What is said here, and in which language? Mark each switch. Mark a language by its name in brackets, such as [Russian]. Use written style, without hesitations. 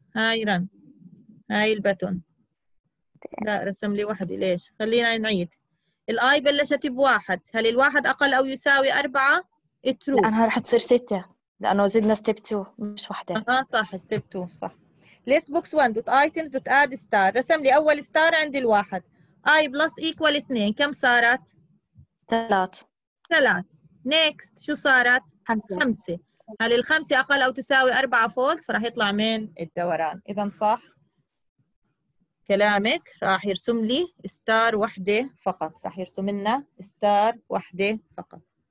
[Arabic] هاي رن، هاي البتون. لا رسم لي واحد. ليش؟ خلينا نعيد. الآي بلشت بواحد، هل الواحد أقل أو يساوي أربعة؟ True. لأنها راح تصير ستة، لأنه زدنا step two مش واحدة. صح step two صح. [English] List books one dot items dot add star. [Arabic] رسم لي أول ستار عندي الواحد. [English] I plus equal [Arabic] 2 كم صارت؟ ثلاث. Next شو صارت؟ خمسة. هل الخمسة أقل أو تساوي أربعة؟ false. فراح يطلع من الدوران. إذا صح كلامك، راح يرسم لي ستار واحدة فقط. راح يرسم لنا ستار واحدة فقط.